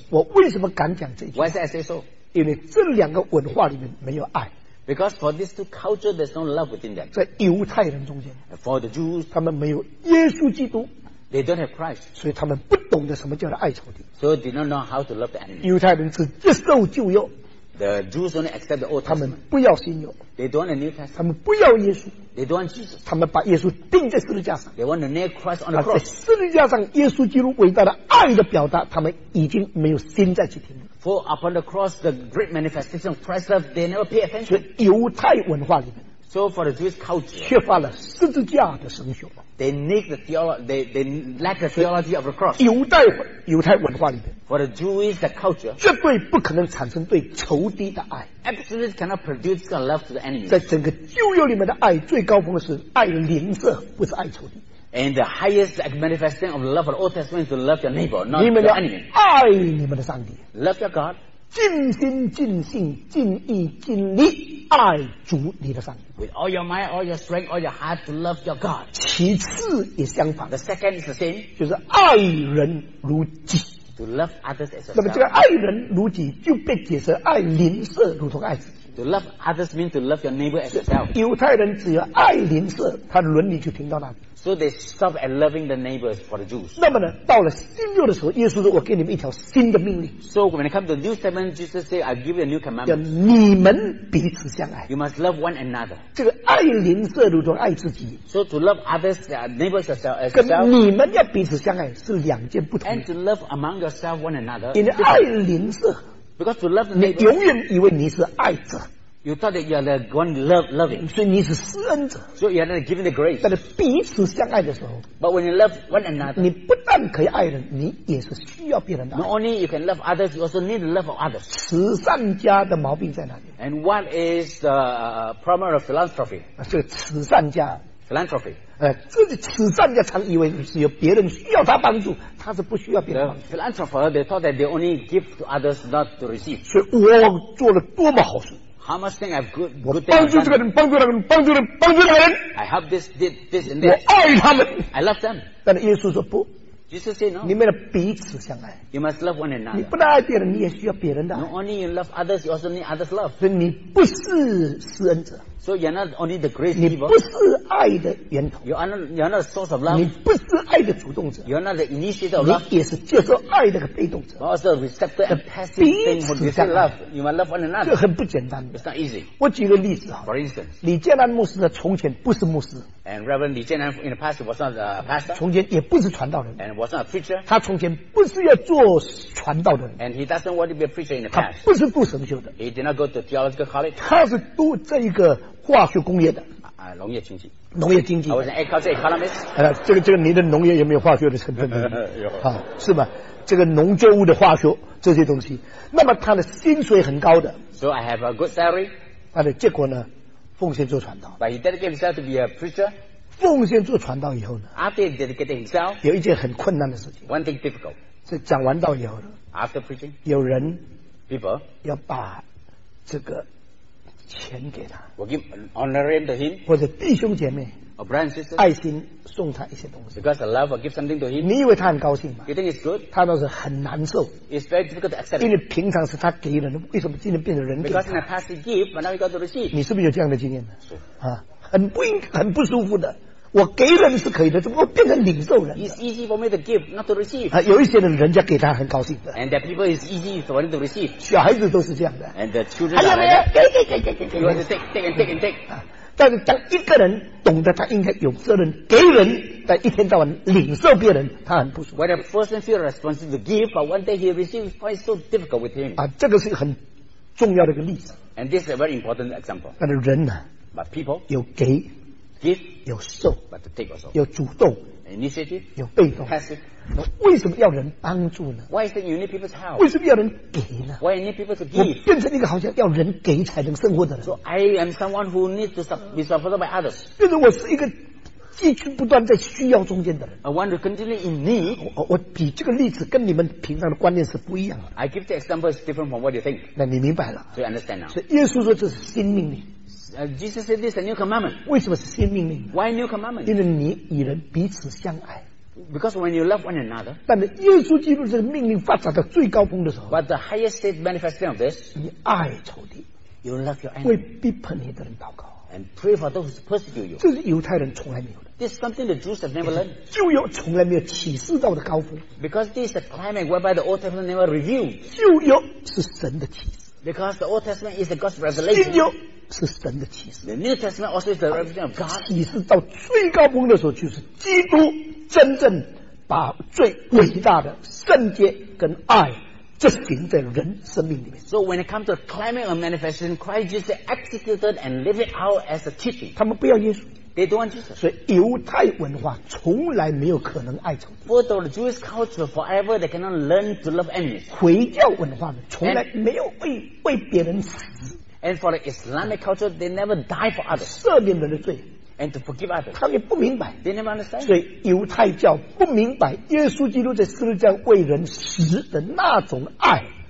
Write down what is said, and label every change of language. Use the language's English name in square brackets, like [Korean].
[Chinese] 我为什么敢讲这句话 [English] ？Why did I say so? [Chinese] 因为这两个文化里面没有爱。 [English] Because for these two cultures, there's no love within them. [Chinese] 在犹太人中间 [English] ，For the Jews, [Chinese] 他们没有耶稣基督 [English] ，They don't have Christ. [Chinese] 所以他们不懂得什么叫做爱仇敌。 [English] So they don't know how to love the enemy. [Chinese] 犹太人只接受旧约。 [English] The Jews only accept the Old Testament. [Chinese] 他们不要新约。 [English] They don't want the New Testament. [Chinese] 他们不要耶稣。 [English] They don't want Jesus. [Chinese] 他们把耶稣钉在十字架上。 [English] They want to nail Christ on the cross. [Chinese] 在十字架上，耶稣基督伟大的爱的表达，他们已经没有心再去听了。 [English] For upon the cross, the great manifestation of Christ's love, they never pay attention. [Chinese] 所以犹太文化里面。 [English] So for the Jewish culture, [Chinese] 缺乏了十字架的神学。 [English] They need the theology. They lack the theology of the cross. [Chinese] 犹太文化里面。 [English] For the Jewish the culture, [Chinese] 绝对不可能产生对仇敌的爱。 [English] Absolutely cannot produce the love to the enemy. [Chinese] 在整个旧约里面的爱最高峰的是爱邻舍，不是爱仇敌。 [English] And the highest manifestation of love for the Old Testament is to love your neighbor, not your enemy. [Chinese] 你们要爱你们的上帝。 [English] Love your God. [Chinese] 尽心尽性尽意尽力爱主你的上帝。 [English] With all your mind, all your strength, all your heart to love your God. [Chinese] 其次也相反。 [English] The second is the same. [Chinese] 就是爱人如己。 [English] To love others as [Chinese] a. 那么这个爱人如己就被解释爱邻舍如同爱自己。 [English] To love others means to love your neighbor as yourself. [Chinese] 犹太人只有爱邻舍，他伦理就停到那里。 [English] So they stop at loving the neighbors for the Jews. [Chinese] 那么呢，到了新约的时候，耶稣说我给你们一条新的命令。 [English] So when it comes to New Testament, Jesus said, "I give you a new commandment." [Chinese] 叫你们彼此相爱。 [English] You must love one another. [Chinese] 这个爱邻舍如同爱自己。 [English] So to love others, neighbors yourself, [Chinese] 跟你们要彼此相爱是两件不同。 [English] And to love among yourself one another. [Chinese] 因为爱邻舍。 [English] Because to love the neighbor, [Chinese] 你永远以为你是爱者。 [English] You thought that you are the one loving. [Chinese] 所以你是施恩者。 [English] So you are not giving the grace. [Chinese] 但是彼此相爱的时候。 [English] But when you love one another. [Chinese] 你不但可以爱人，你也是需要别人的爱。 [English] Not only you can love others, you also need the love of others. [Chinese] 慈善家的毛病在哪里？ [English] And what is the problem of philanthropy? [Chinese] 这个慈善家。 [English] Philanthropy. [Chinese] 这个慈善家常以为是有别人需要他帮助，他是不需要别人帮助。 [English] The philanthropy, they thought that they only give to others, not to receive. [Chinese] 所以我做了多么好事。 [English] How much thing I've good, good thing [Chinese] 帮助这个人，帮助那个人，帮助人，帮助那个人。 [English] I have this and [Chinese] this. 我爱他们。 [English] I love them. [Chinese] 但是耶稣说不。 [English] Jesus said no. [Chinese] 你们彼此相爱。 [English] You must love one another. [Chinese] 你不但爱别人，你也需要别人的爱。 [English] Not only you love others, you also need others' love. [Chinese] 所以你不是施恩者。 [English] So you're not only the grace [Chinese] giver. 你不是爱的源头。 [English] You're not the source of love. [Chinese] 你不是爱的主动者。 [English] You're not the initiator of love. [Chinese] 你也是接受爱的被动者。 [English] But also receptor and passive thing when you say love. You must love one another. [Chinese] 这很不简单。 [English] It's not easy. [Chinese] 我举个例子啊。 [English] For instance, [Chinese] 李建南牧师呢，从前不是牧师。 [English] And Reverend 李建南 in the past was not a pastor. [Chinese] 从前也不是传道人。 [English] And was not a preacher. [Chinese] 他从前不是要做传道的人。 [English] And he doesn't want to be a preacher in the past. [Chinese] 他不是读神学的。 [English] He did not go to theological college. [Chinese] 他是读这一个。化学工业的农业经济，农业经济。我是 [English] agriculture economist。 [Chinese] 这个，你的农业有没有化学的成分？有啊，是吧？这个农作物的化学这些东西，那么他的薪水很高的。 [English] So I have a good salary。 [Chinese] 他的结果呢，奉献做传道。 [English] But he dedicated himself to be a preacher。 [Chinese] 奉献做传道以后呢 [English] ？After he dedicated himself， [Chinese] 有一件很困难的事情。 [English] One thing difficult。 [Chinese] 这讲完道以后呢 [English] ？After preaching， [Chinese] 有人 [English] people [Chinese] 要把这个。钱给他 [English] we'll give an honorarium to him, [Chinese] 或者弟兄姐妹 [English] or brand sister, [Chinese] 爱心送他一些东西 [English] because the love will give something to him, [Chinese] 你以为他很高兴吗 [English] you think it's good? [Chinese] 他倒是很难受 [English] it's very difficult to accept [Chinese] 因为平常是他给人为什么今天变成人给他 [English] because in the past he gave but now he got to receive [Chinese] 你是不是有这样的经验呢、很不舒服的我给人是可以的怎么变成领受人 [English] it's easy for me to give not to receive、 [Chinese] 有一些人人家给他很高兴的 [English] and that people is easy for him to receive [Chinese] 小孩子都是这样的 [English] and the children are like that you want to take and take、 [Chinese] 但是当一个人懂得他应该有责任给人但一天到晚领受别人他很不舒服 [English] when a person feels responsible to give but one day he receives quite so difficult with him、 [Chinese] 这个是很重要的一个例子 [English] and this is a very important example [Chinese] 但是人、 [English] but people [Chinese] 有给 [English] Give, [Chinese] 有受 [English] but to take also. [Chinese] 有主动 [English] Initiative, [Chinese] 有被动 [English] Passive. [Chinese] 为什么要人帮助呢 [English] Why is it you need people's help? [Chinese] 为什么要人给呢 [English] Why you need people to give? [Chinese] 我变成一个好像要人给才能生活的人 [English] So I am someone who needs to be supported by others. [Chinese] 变成我是一个继续不断在需要中间的人 [English] I want to continue in need. [Chinese] 我比这个例子跟你们平常的观念是不一样的 [English] I give the example is different from what you think. [Chinese] 那你明白了 [English] So you understand now. [Chinese] 所以耶稣说这是新命令 [English] Jesus said this is a new commandment. [Chinese] 为什么是新命令呢 [English] Why new commandment? [Chinese] 因为你与人彼此相爱。 [English] Because when you love one another. [Chinese] 但是耶稣基督这个命令发展到最高峰的时候。 [English] But the highest state manifestation of this. [Chinese] 你爱仇敌。 [English] You love your enemy. [Chinese] 为逼迫你的人祷告。 [English] And pray for those who persecute you. [Chinese] 这是犹太人从来没有的。 [English] This is something the Jews have never learned. [Chinese] 旧约从来没有启示到的高峰。 [English] Because this is a climate whereby the Old Testament never revealed. [Chinese] 旧约是神的启示。 [English] Because the Old Testament is the God's revelation. [Chinese] 新约是神的启示。 [English] The New Testament also is the revelation of God. [Chinese] 启示到最高峰的时候，就是基督真正把最伟大的圣洁跟爱执行在人生命里面。 [English] So when it comes to the climate of manifestation, Christ Jesus executed and lived it out as a teaching. [Chinese] 他们不要耶稣。 [English] They don't want Jesus. [Chinese] 所以犹太文化从来没有可能爱仇敌。 [English] For the Jewish culture, forever they cannot learn to love enemies. [Chinese] 回教文化呢，从来没有为别人死。 [English] And for the Islamic culture, they never die for others. [Chinese] 赦免人的罪。 [English] And to forgive others. [Chinese] 他们也不明白。 [English] They never understand. [Chinese] 所以犹太教不明白耶稣基督在十字架为人死的那种爱。